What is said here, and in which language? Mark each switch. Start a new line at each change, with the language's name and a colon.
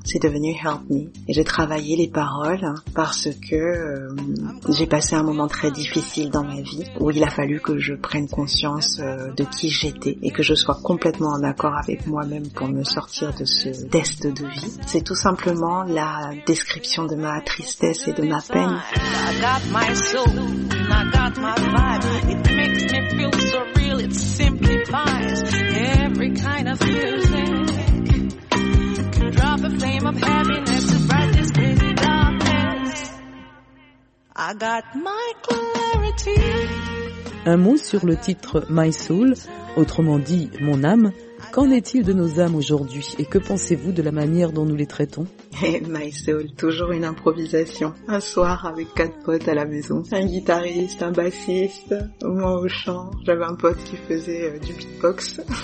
French: C'est devenu Help Me. Et j'ai travaillé les paroles, hein, parce que j'ai passé un moment très difficile dans ma vie, où il a fallu que je prenne conscience de qui j'étais, et que je sois complètement en accord avec moi-même pour me sortir de ce test de vie. C'est tout simplement la description de ma tristesse et de ma peine.
English: I got my soul, I got my vibe. It makes me feel so real, it simplifies every kind of music. Drop a flame of happiness to brighten this crazy darkness. I got my clarity.
French: Un mot sur le titre « My Soul », autrement dit « Mon âme ». Qu'en est-il de nos âmes aujourd'hui et que pensez-vous de la manière dont nous les traitons ? My Soul, toujours une improvisation. Un soir avec quatre potes à la maison, un guitariste, un bassiste, moi au chant, j'avais un pote qui faisait du beatbox.